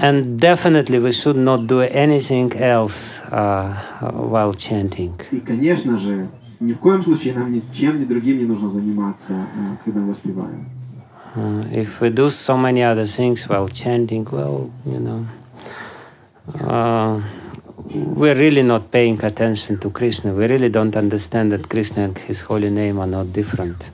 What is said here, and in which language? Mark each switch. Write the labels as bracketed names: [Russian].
[English] And definitely we should not do anything else while chanting. [Russian] И, конечно же, ни в коем случае нам ничем ни другим не нужно заниматься, когда воспеваем. [English] If we do so many other things while chanting, well, you know, we're really not paying attention to Krishna. We really don't understand that Krishna and His holy name are not different.